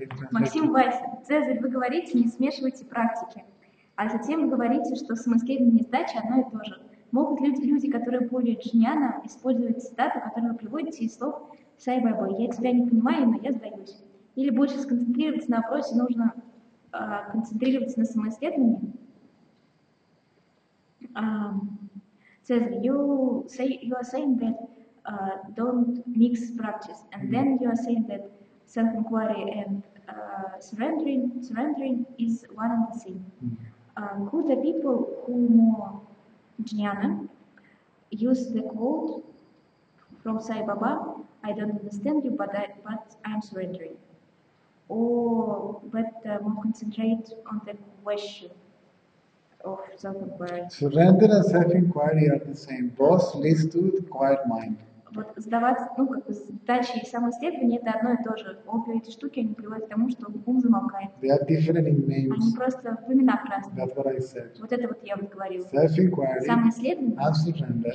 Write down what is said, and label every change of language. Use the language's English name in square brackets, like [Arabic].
[Russian] Максим Вася, Цезарь, вы говорите, не смешивайте практики, а затем говорите, что самоскейдование и сдача одно и то же. Могут ли люди, которые более джняна, использовать цитату, которую вы приводите из слов «Сай Байбо», «Я тебя не понимаю, но я сдаюсь». Или больше сконцентрироваться на вопросе, нужно концентрироваться на самоисследовании? [English] Цезарь, you are saying that don't mix practice, and then you are saying that self-inquiry and surrendering is one and the same. Could the people who more jnana use the quote from Sai Baba, I don't understand you, but I'm surrendering, more concentrate on the question of self-inquiry? Surrender and self-inquiry are the same. Both leads to the quiet mind. [Russian] Вот сдаваться, сдача и самоисследование – это одно и то же. Обе эти штуки, они приводят к тому, что ум замолкает. [English] They are different in names. [Russian] Они просто в именах разные. [English] That's what I said. [Russian] Вот это вот я вот говорил. [English] Self-inquiry, [Russian] самоисследование [English] and surrender